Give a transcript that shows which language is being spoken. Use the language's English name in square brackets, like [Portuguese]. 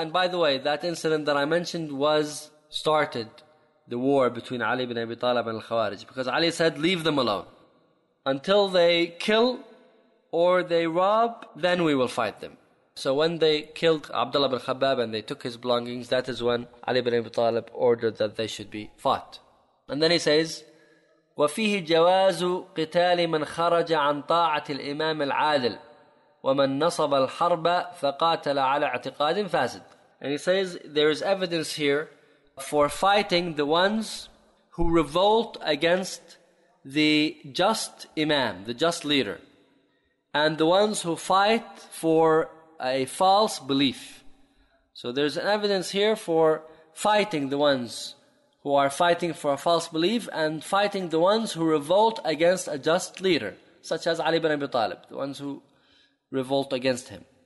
[English] And by the way, that incident that I mentioned was started the war between Ali ibn Abi Talib and Al-Khawarij. Because Ali said, leave them alone. Until they kill or they rob, then we will fight them. So when they killed Abdullah bin Khabbab and they took his belongings, that is when Ali ibn Abi Talib ordered that they should be fought. And then he says, [Arabic] وَفِيهِ جَوَازُ قِتَالِ مَنْ خَرَجَ عَنْ طَاعَةِ الْإِمَامِ الْعَادِلِ وَمَنْ نَصَبَ الْحَرْبَ فَقَاتَلَ عَلَى اعْتِقَادٍ فَاسِدٍ. [English] And he says, there is evidence here for fighting the ones who revolt against the just imam, the just leader, and the ones who fight for a false belief. So there's an evidence here for fighting the ones who are fighting for a false belief and fighting the ones who revolt against a just leader, such as Ali ibn Abi Talib, the ones who revolt against him.